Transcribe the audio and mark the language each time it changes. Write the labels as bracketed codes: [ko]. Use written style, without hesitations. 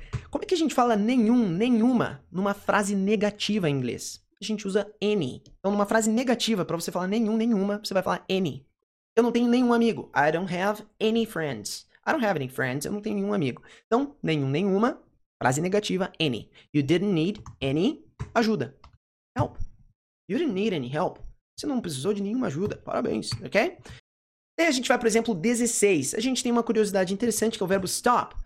[pt] Como é que a gente fala nenhum, nenhuma, numa frase negativa em inglês? A gente usa any. Então, numa frase negativa, para você falar nenhum, nenhuma, você vai falar any. Eu não tenho nenhum amigo. [en] I don't have any friends. I don't have any friends. [pt] Eu não tenho nenhum amigo. Então, nenhum, nenhuma, frase negativa, any. [en] You didn't need any ajuda. Help. You didn't need any help. [pt] Você não precisou de nenhuma ajuda. Parabéns, ok? Aí a gente vai para o exemplo 16. A gente tem uma curiosidade interessante, que é o verbo stop.